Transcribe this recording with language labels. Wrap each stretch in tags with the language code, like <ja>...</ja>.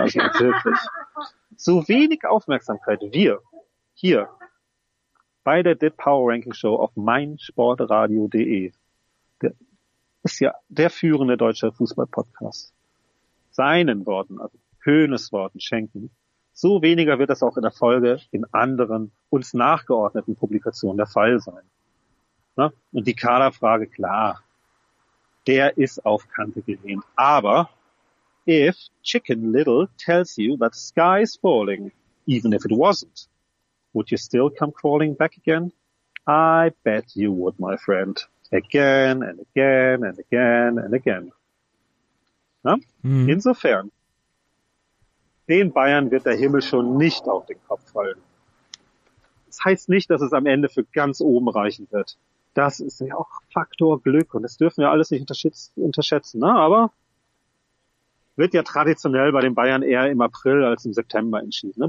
<de>Also wirklich, so wenig Aufmerksamkeit wir hier bei der DIT Power Ranking Show auf meinsportradio.de, ist ja der führende deutsche Fußball-Podcast, seinen Worten, also Hoeneß Worten schenken. So weniger wird das auch in der Folge in anderen, uns nachgeordneten Publikationen der Fall sein. Ne? Und die Kaderfrage, klar, der ist auf Kante gelehnt.</de> <en>Aber if Chicken Little tells you that the sky is falling, even if it wasn't, would you still come crawling back again? I bet you would, my friend. Again and again and again and again.</en> <de>Na? Hm. Insofern, den Bayern wird der Himmel schon nicht auf den Kopf fallen. Das heißt nicht, dass es am Ende für ganz oben reichen wird. Das ist ja auch Faktor Glück und das dürfen wir alles nicht unterschätzen. Na? Aber wird ja traditionell bei den Bayern eher im April als im September entschieden. Ne?</de>